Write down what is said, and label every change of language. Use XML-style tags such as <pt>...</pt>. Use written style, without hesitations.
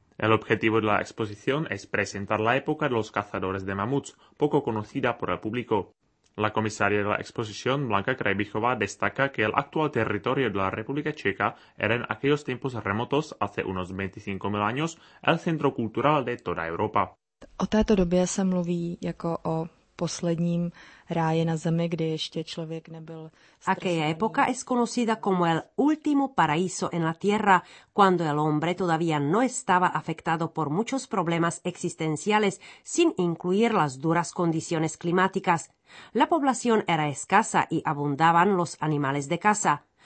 <es>El objetivo de la exposición es presentar la época de los cazadores de mamuts, poco conocida por el público. La comisaria de la exposición, Blanka Krajbichová, destaca que el actual territorio de la República Checa era en aquellos tiempos remotos, hace unos 25.000 años, el centro cultural de toda Europa.</es> <cs>O této době se mluví jako o posledním ráji na zemi, kdy ještě člověk nebyl.</cs> <es>Aquella época es conocida como el último paraíso en la tierra, cuando el hombre todavía no estaba afectado por muchos problemas existenciales, sin incluir las duras condiciones climáticas. La población era escasa y abundaban los animales de caza.</es>